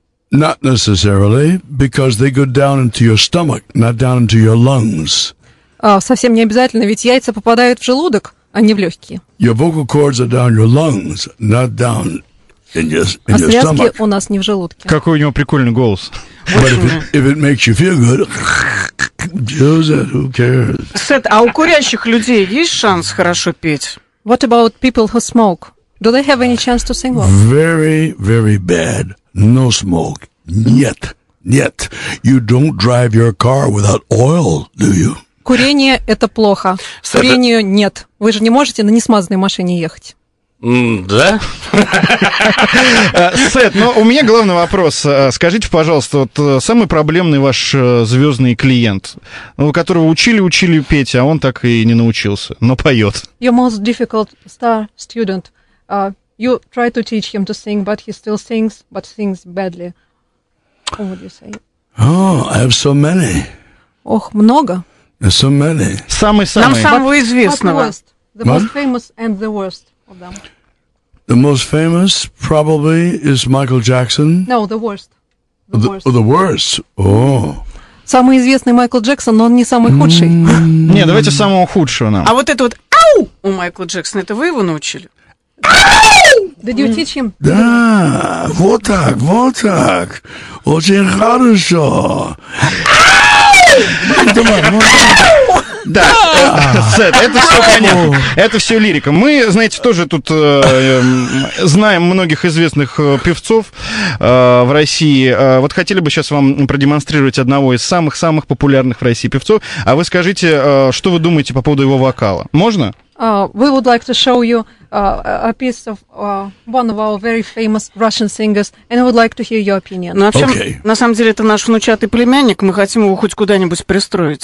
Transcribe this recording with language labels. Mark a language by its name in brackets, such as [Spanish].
[English] Not necessarily, because they go down into your stomach, not down into your lungs. [Russian] Совсем не обязательно, ведь яйца попадают в желудок, а не в легкие. [English] Your vocal cords are down your lungs, not down in your stomach. [Russian] А связки у нас не в желудке. Какой у него прикольный голос. [English] But if it makes you feel good, use it, who cares? [Russian] Сет, а у курящих людей есть шанс хорошо петь? [English] What about people who smoke? Do they have any chance to sing well? Very, very bad. No smoke. [Russian] Нет. Нет. [English] You don't drive your car without oil, do you? [Russian] Курение – это плохо. Курению – нет. Вы же не можете на несмазанной машине ехать. Да? Сет, но у меня главный вопрос. Скажите, пожалуйста, вот самый проблемный ваш звездный клиент, у которого учили-учили петь, а он так и не научился, но поет. [English] Your most difficult star student. You try to teach him to sing, but he still sings, but sings badly. What would you say? Oh, I have so many. [Russian] Ох, много. [English] So many. [Russian] Самый-самый. Нам самого известного. [English] The most, the most famous and the worst of them. The most famous probably is Michael Jackson. No, the worst. The worst. Oh. [Russian] Самый известный Майкл Джексон, но он не самый худший. Не, давайте самого худшего нам. А вот это вот «ау» у Майкла Джексона, это вы его научили? [English] Did you teach him? [Russian] Да, вот так, вот так. Очень хорошо. Да, Сет, это все понятно. Это все лирика. Мы, знаете, тоже тут знаем многих известных певцов в России. Вот хотели бы сейчас вам продемонстрировать одного из самых-самых популярных в России певцов. А вы скажите, что вы думаете по поводу его вокала? Можно? [English] We would like to show you a piece of one of our very famous Russian singers, and I would like to hear your opinion. [Russian] Ну, общем, okay. На самом деле, это наш внучатый племянник, мы хотим его хоть куда-нибудь пристроить.